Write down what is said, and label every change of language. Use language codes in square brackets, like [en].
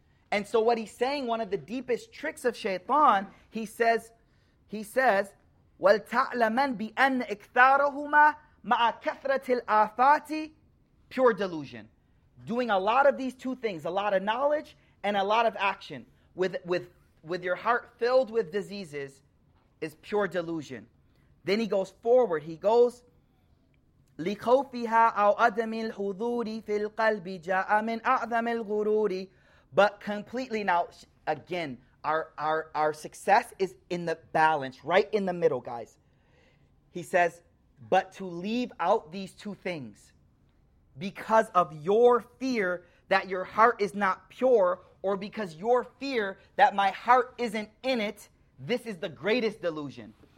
[en] And so what he's saying, one of the deepest tricks of Shaitan, he says, [ar] وَلْتَعْلَمَنْ بِأَنَّ إِكْثَارَهُمَا مَعَ كَثْرَةِ الْآفَاتِ. [en] Pure delusion. Doing a lot of these two things, a lot of knowledge and a lot of action with your heart filled with diseases is pure delusion. Then he goes forward. He goes, [ar] لِخَوْفِهَا أَوْ أَدَمِ الْحُضُورِ فِي الْقَلْبِ جَاءَ مِنْ أَعْظَمِ الْغُرُورِ. [en] But completely now, again, our success is in the balance, right in the middle, guys. He says, but to leave out these two things because of your fear that your heart is not pure, or because your fear that my heart isn't in it, this is the greatest delusion.